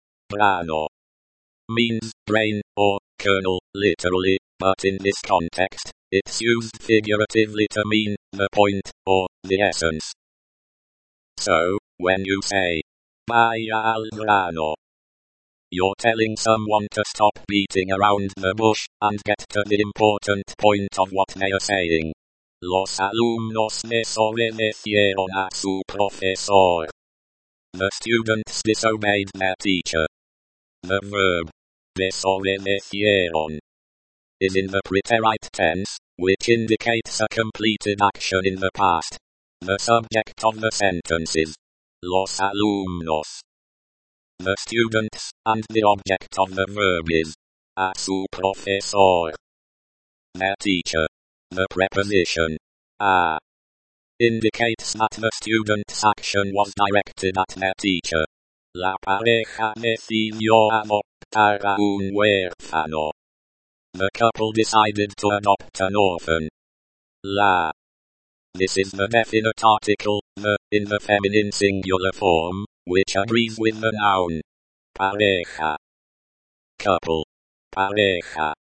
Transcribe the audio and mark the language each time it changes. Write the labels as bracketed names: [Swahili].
[English] Grano means grain or kernel, literally, but in this context, it's used figuratively to mean the point or the essence. So, when you say, [Spanish] vaya al grano, [English] you're telling someone to stop beating around the bush and get to the important point of what they are saying. [Spanish] Los alumnos desobedecieron a su profesor. [English] The students disobeyed their teacher. The verb desobedecieron is in the preterite tense, which indicates a completed action in the past. The subject of the sentence is [Spanish] los alumnos, [English] the students, and the object of the verb is [Spanish] a su profesor, [English] their teacher. The preposition a indicates that the student's action was directed at their teacher. [Spanish] La pareja decidió adoptar a un huérfano. [English] The couple decided to adopt an orphan. La. This is the definite article, the, in the feminine singular form, which agrees with the noun. Pareja. Couple. Pareja.